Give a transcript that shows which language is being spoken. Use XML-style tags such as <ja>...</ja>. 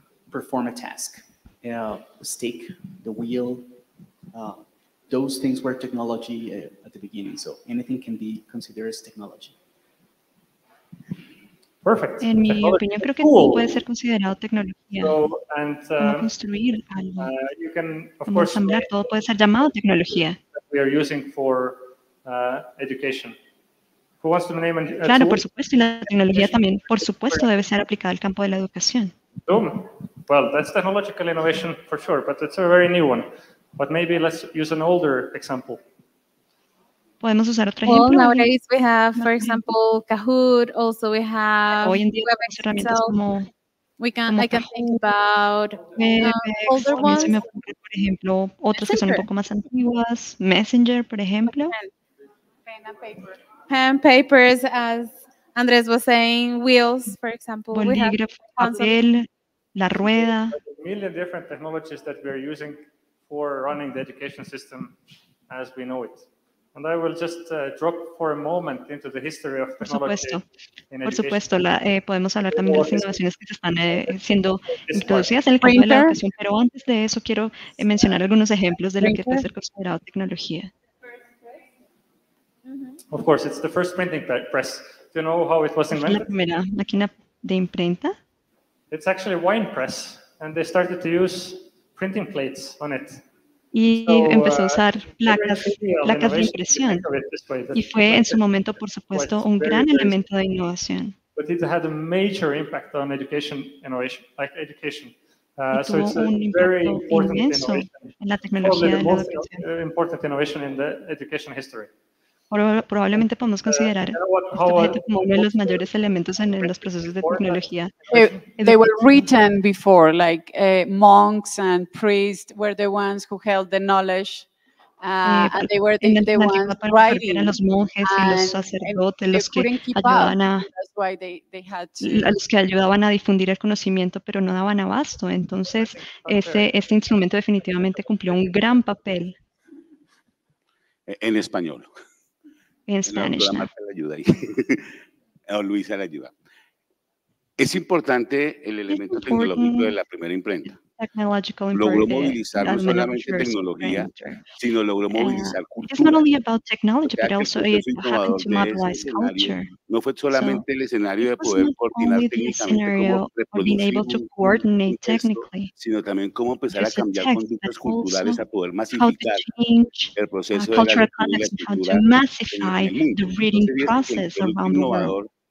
<en>Perform a task, stick, the wheel, those things were technology at the beginning. So anything can be considered as technology. Perfect.</en> <es>En mi opinión, creo que todo puede ser considerado tecnología. Como construir algo.</es> <en>You can, of</en> <es>como ensamblar, todo puede ser llamado tecnología.</es> <en>We are using for education. Who wants to name a tool?</en> <es>Claro, por supuesto, y la tecnología también, por supuesto, debe ser aplicada al campo de la educación.</es> <en>Zoom. Well, that's technological innovation for sure, but it's a very new one. But maybe let's use an older example.</en> <es>Podemos usar otro ejemplo.</es> <en>Well, nowadays we have, for example, Kahoot. Also, we have.</en> <es>Hoy en día tenemos herramientas como.</es> <en>We can. I can think about older ones.</en> <es>Se me ocurre, por ejemplo, otros que son un poco más antiguas. Messenger, por ejemplo.</es> <en>Pen and papers, as Andrés was saying, wheels, for example.</en> <es>Bolígrafo, papel, la rueda.</es> <en>A million different technologies that we are using for running the education system as we know it. And I will just drop for a moment into the history of technology.</en> <es>Por supuesto. Por supuesto, podemos hablar también de las innovaciones que se están siendo introducidas en el campo de la educación, pero antes de eso quiero mencionar algunos ejemplos de lo que puede ser considerado tecnología.</es> <en>Of course, it's the first printing press. Do you know how it was invented?</en> <es>La primera máquina de imprenta.</es> <en>It's actually a wine press, and they started to use printing plates on it.</en> <es>Y empezó a usar placas de impresión. Y fue en su momento, por supuesto, un gran elemento de innovación.</es> <en>But it had a major impact on education innovation, like education. So it's a very important innovation.</en> <es>En la tecnología de la educación.</es> <en>Probably the most important innovation in the education history.</en> <es>Probablemente podemos considerar este como uno de los mayores elementos en los procesos de tecnología.</es> <en>They were written before, like monks and priests were the ones who held the knowledge, and they were the ones writing.</en> <es>Eran los monjes y los sacerdotes los que ayudaban a los que ayudaban a difundir el conocimiento, pero no daban abasto. Entonces este instrumento definitivamente cumplió un gran papel. En español. En español. Marta le ayuda ahí. O Luisa le ayuda. Es importante el elemento tecnológico de la primera imprenta. Logró movilizar no solamente tecnología, sino logró movilizar cultura.</es> <en>It's not only about technology, but also it happened to mobilize culture.</en> <es>No fue solamente el escenario de poder coordinar técnicamente, cómo reproducir, sino también cómo empezar a cambiar conductas culturales, a poder masificar el proceso de la lectura cultural en el mundo.</es>